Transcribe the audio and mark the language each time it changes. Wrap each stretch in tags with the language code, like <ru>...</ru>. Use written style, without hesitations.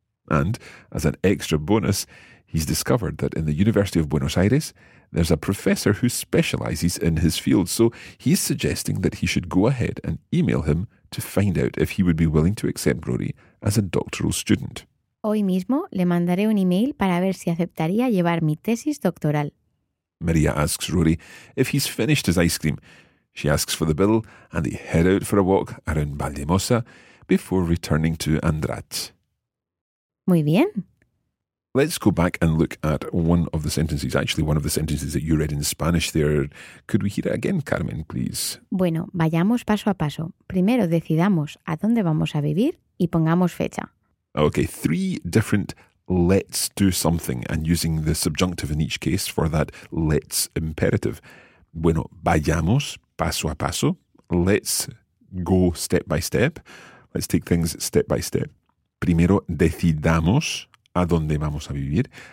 <en>And, as an extra bonus, he's discovered that in the University of Buenos Aires, there's a professor who specialises in his field, so he's suggesting that he should go ahead and email him to find out if he would be willing to accept Rory as a doctoral student.</en> <es>Hoy mismo le mandaré un email para ver si aceptaría llevar mi tesis doctoral.</es> <en>Maria asks Rory if he's finished his ice cream. She asks for the bill and they head out for a walk around Valdemosa before returning to Andrat.</en> <es>Muy bien.</es> <en>Let's go back and look at one of the sentences, actually one of the sentences that you read in Spanish there. Could we hear it again, Carmen, please?</en> <es>Bueno, vayamos paso a paso. Primero decidamos a dónde vamos a vivir y pongamos fecha.</es> <en>Okay, three different let's do something and using the subjunctive in each case for that let's imperative.</en> <es>Bueno, vayamos paso a paso.</es> <en>Let's go step by step. Let's take things step by step.</en> <es>Primero decidamos a dónde vamos a vivir.</es>